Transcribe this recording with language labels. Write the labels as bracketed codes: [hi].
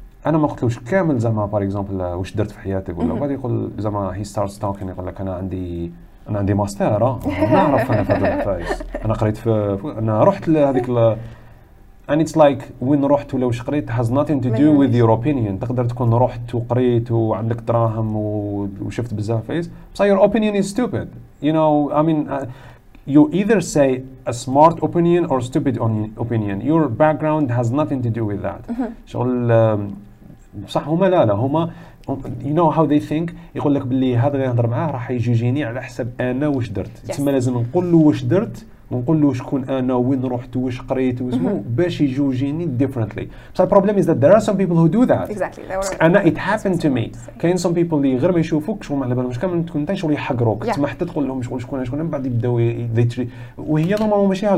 [ar] أنا ما قلتلوش كامل زعما [en] for example [ar] وش درت في حياتك ولا بعد يقول زعما [en] he starts talking [ar] يقول لك أنا عندي ماستر نعرف أنا في هذا الفايس أنا قريت في أنا رحت لهذيك [en] And it's like [ar] وين رحت ولا وش قريت [en] has nothing to do with your opinion. [ar] تقدر تكون رحت وقريت وعندك دراهم وشفت بزاف فايز. [en] So your opinion is stupid. You know, I mean, you either say a smart opinion or stupid opinion. Your background has nothing to do with that. [ar] شغل صح هما لا لا هما [en] you know how they think. [ar] يقول لك باللي هذا اللي نهضر معاه راح يجيني على حسب انا واش درت. تما لازم نقول له واش درت ونقول له شكون انا وين رحت واش قريت واسمو باش يجوجيني differently. [en] So the problem is that there are some people who do that. Exactly. And it happened to me. [ar] كاين [en] some people [ar] اللي غير ما يشوفوك شغل ما على بالهمش كامل تكون انت شغل يحقروك. تما حتى تقول لهم شغل شكون شكون من بعد يبداو وهي نورمالمون ماشي هكذا.